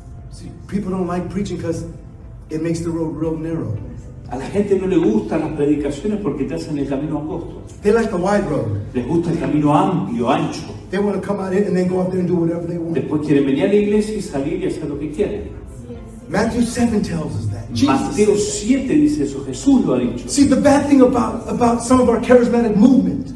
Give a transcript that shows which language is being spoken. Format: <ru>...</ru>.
<en>See, people don't like preaching because it makes the road real narrow.</en> <es>A la gente no le gustan las predicaciones porque te hacen el camino angosto.</es> <en>They like the wide road.</en> <es>Les gusta el camino amplio, ancho.</es> <en>They want to come out in and then go out there and do whatever they want.</en> <es>Después quieren venir a la iglesia y salir y hacer lo que quieren.</es> <en>Matthew 7 tells us that.</en> <es>Mateo 7 dice eso. Jesús lo ha dicho.</es> <en>See, the bad thing about some of our charismatic movement.</en>